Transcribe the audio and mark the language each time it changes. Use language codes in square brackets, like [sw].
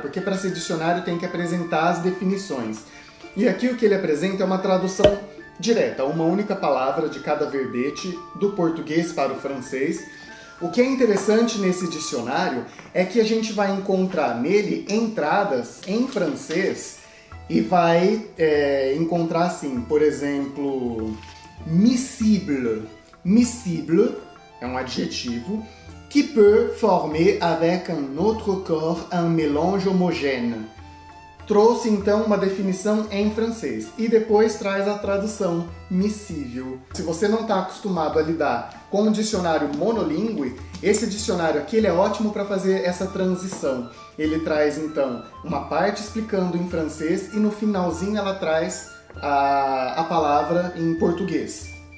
[pt] Porque para ser dicionário tem que apresentar as definições. E aqui o que ele apresenta é uma tradução direta, uma única palavra de cada verbete do português para o francês. O que é interessante nesse dicionário é que a gente vai encontrar nele entradas em francês e vai encontrar assim, por exemplo, miscible. [fr] Miscible [pt] é um adjetivo [fr] qui peut former avec un autre corps un mélange homogène. [pt] Trouxe então uma definição em francês e depois traz a tradução miscível. Se você não está acostumado a lidar com um dicionário monolíngue, esse dicionário aqui ele é ótimo para fazer essa transição. Ele traz então uma parte explicando em francês e no finalzinho ela traz a palavra em português.